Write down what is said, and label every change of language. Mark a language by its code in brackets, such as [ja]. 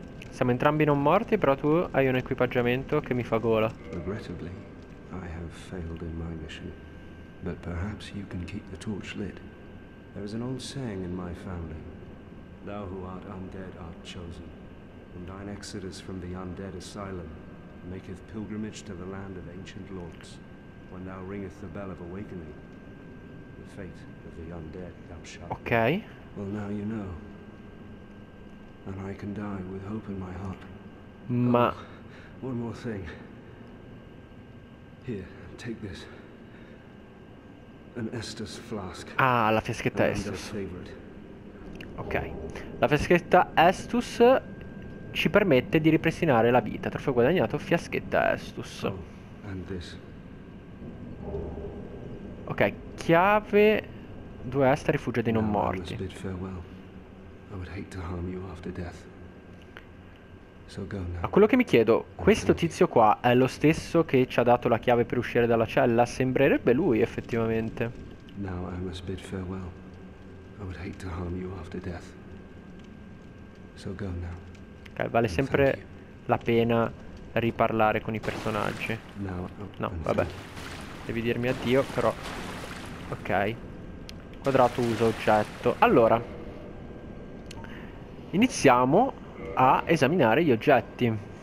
[it] Siamo entrambi non morti, però tu hai un equipaggiamento che mi fa gola. [en] Regrettably, I have failed in my mission. But perhaps you can keep the torch lit. There is an old saying in my family. Thou who art undead art chosen, and thine exodus from the undead asylum maketh pilgrimage to the land of ancient lords. When thou ringeth the bell of awakening, the fate of the undead thou shalt. Okay. Well, now you know, and I can die with hope in my heart. [it] Ma. [en] Oh, one more thing. Here, take this. An Estus flask. [it] Ah, la fiaschetta Estus. [en] Favorite. [it] Ok, la fiaschetta Estus ci permette di ripristinare la vita. Trofeo guadagnato, fiaschetta Estus. [en] Oh, and this. [it] Ok, chiave 2 Esta, rifugio dei non morti. [en] I would hate to harm you after death. So go now. [it] A quello che mi chiedo, questo tizio qua è lo stesso che ci ha dato la chiave per uscire dalla cella? Sembrerebbe lui, effettivamente. [en] Now I must bid farewell. I would hate to harm you after death. So go now. [it] Ok, vale sempre la pena riparlare con i personaggi. [en] Now, [it] no, vabbè. Devi dirmi addio, però. Ok. Quadrato uso oggetto. Allora, iniziamo a esaminare gli oggetti.